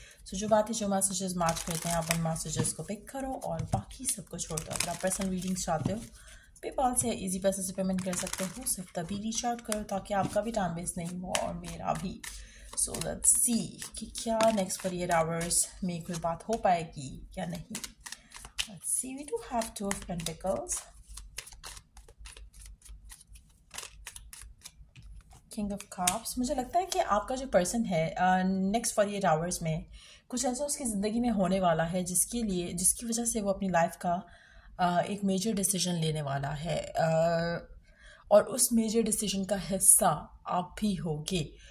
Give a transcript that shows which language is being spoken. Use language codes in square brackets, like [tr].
[hi] सो जो बातें जो मैसेजेस मैच करते हैं, अपन मैसेजेस को पिक करो और बाकी सबको छोड़ दो. अगर आप पर्सनल रीडिंग्स चाहते हो, पेपाल से ईजी पैसे से पेमेंट कर सकते हो, सिर्फ तभी रीच आउट करो ताकि आपका भी टाइम वेस्ट नहीं हो और मेरा भी. [en] so let's see [hi] कि क्या नेक्स्ट 48 आवर्स में कोई बात हो पाएगी या नहीं. [en] Let's see, we do have two of pentacles, king of cups. [hi] मुझे लगता है कि आपका जो person है [en] next 48 hours [hi] में कुछ ऐसा उसकी ज़िंदगी में होने वाला है जिसके लिए, जिसकी वजह से वो अपनी life का एक major decision लेने वाला है और उस major decision का हिस्सा आप भी होगे.